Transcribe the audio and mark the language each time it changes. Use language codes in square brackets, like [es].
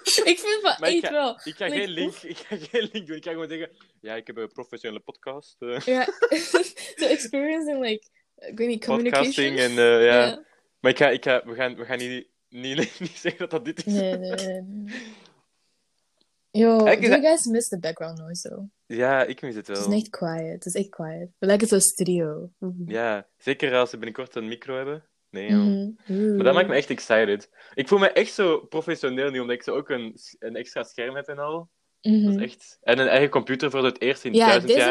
[nl] Ik vind van echt wel. Ik ga geen link doen. Ik ga gewoon zeggen... Ja, ik heb een professionele podcast. [en] Ja. So experience in, like... [nl] Ik weet niet, communication. Podcasting en... Maar ik ga... We gaan niet zeggen dat dit is. Nee. [en] Yo, do you guys miss the background noise, though? [nl] Ja, ik mis het wel. Het is echt quiet. Het is echt quiet. We lijken zo'n studio. Mm-hmm. Ja, zeker als ze binnenkort een micro hebben. Nee, joh. Mm-hmm. Maar dat maakt me echt excited. Ik voel me echt zo professioneel nu, omdat ik zo ook een extra scherm heb en al. Mm-hmm. Dat is echt... En een eigen computer voor het eerst in 1000 jaar.